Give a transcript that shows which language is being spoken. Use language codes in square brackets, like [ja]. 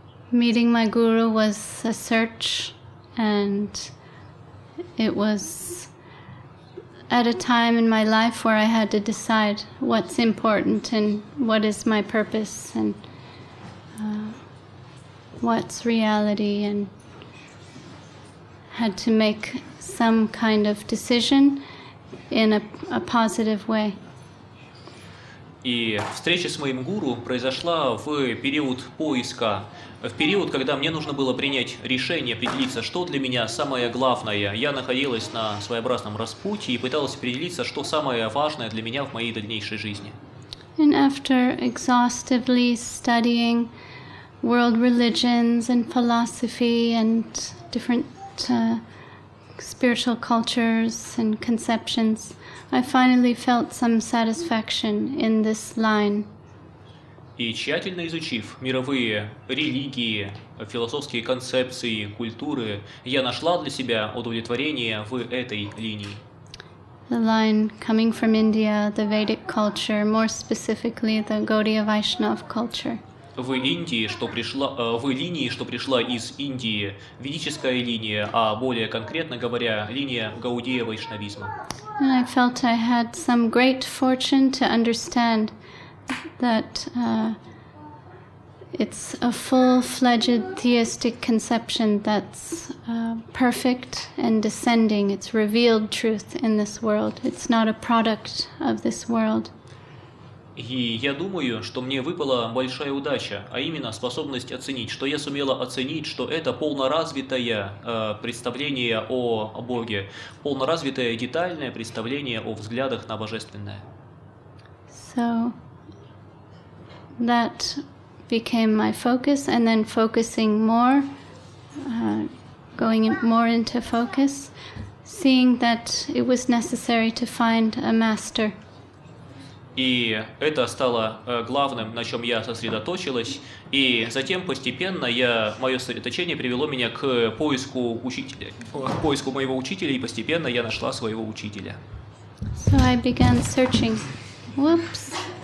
[en] Meeting my guru was a search, and it was at a time in my life where I had to decide what's important and what is my purpose and what's reality, and had to make some kind of decision in a positive way. [ru] И встреча с моим гуру произошла в период поиска, в период, когда мне нужно было принять решение, определиться, что для меня самое главное. Я находилась на своеобразном распутье и пыталась определиться, что самое важное для меня в моей дальнейшей жизни. [en] And after exhaustively studying world religions and philosophy and different spiritual cultures and conceptions, I finally felt some satisfaction in this line. [ru] И тщательно изучив мировые религии, философские концепции, культуры, я нашла для себя удовлетворение в этой линии. [en] The line coming from India, the Vedic culture, more specifically the Gaudiya Vaishnav culture. [ru] В Индии, что пришла, в линии, что пришла из Индии, ведическая линия, а более конкретно говоря, линия Гаудия Вайшнавизма. [en] And I felt I had some great fortune to understand that it's a full-fledged theistic conception that's perfect and descending. It's revealed truth in this world. It's not a product of this world. [ru] И я думаю, что мне выпала большая удача, а именно способность оценить, что я сумела оценить, что это полноразвитое представление о Боге, полноразвитое детальное представление о взглядах на Божественное. [en] So, that became my focus, and then focusing more, going more into focus, seeing that it was necessary to find a master. [ru] И это стало главным, на чем я сосредоточилась, и затем постепенно мое сосредоточение привело меня к поиску учителя, к поиску моего учителя, и постепенно я нашла своего учителя. [en] So I began searching. Whoops.